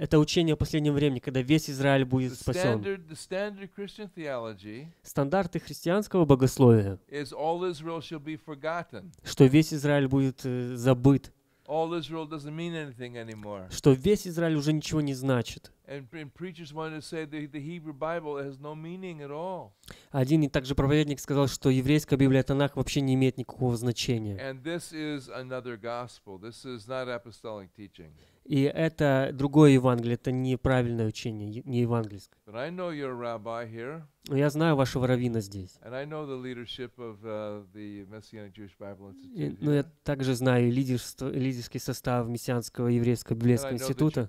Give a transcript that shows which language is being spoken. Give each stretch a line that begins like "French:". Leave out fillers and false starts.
Russian: Это учение о последнем времени, когда весь Израиль будет спасен.
English: The standard Christian theology,
Russian: стандарты христианского богословия,
English: is all Israel shall be forgotten.
Russian: Что весь Израиль будет забыт.
English: All Israel doesn't mean anything anymore.
Russian: Что весь Израиль уже ничего не значит.
English: And preachers wanted to say that the Hebrew Bible has no meaning at all.
Russian: Один и также проповедник сказал, что еврейская Библия Танах вообще не имеет никакого значения.
English: And this is another gospel. This is not apostolic teaching.
Russian: И это другое Евангелие, это неправильное учение, не евангельское.
English: But I know your rabbi here.
Russian: Но я знаю вашего раввина здесь.
English: And I know the leadership of the Messianic Jewish Bible Institute.
Russian: Но я также знаю лидерский состав мессианского еврейского библейского института.